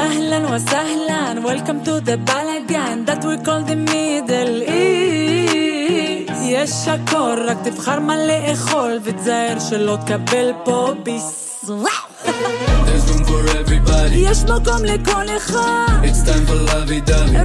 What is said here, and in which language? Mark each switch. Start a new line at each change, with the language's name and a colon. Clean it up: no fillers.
English: Welcome to the balagan that we call the Middle East.
Hebrew: יש הכל, רק תבחר מה לאכול ותזהר שלא תקבל פה ביס.
English: There's room for everybody.
Hebrew: יש מקום לכל אחד.
English: It's time for lovey-dovey.